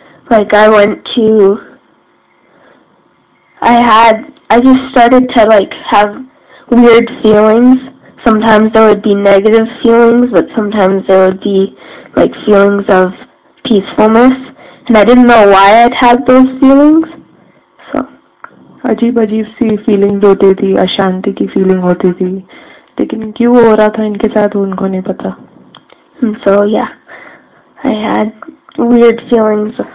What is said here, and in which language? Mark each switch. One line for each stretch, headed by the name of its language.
English: Like I just started to like have weird feelings. Sometimes there would be negative feelings, but sometimes there would be like feelings of peacefulness, and I didn't know why I'd had those feelings. So,
Hindi: अजीब अजीब सी feelings होती थी, अशांति की feeling होती थी. लेकिन क्यों हो रहा था इनके साथ उनको नहीं पता.
English: So yeah, I had weird feelings.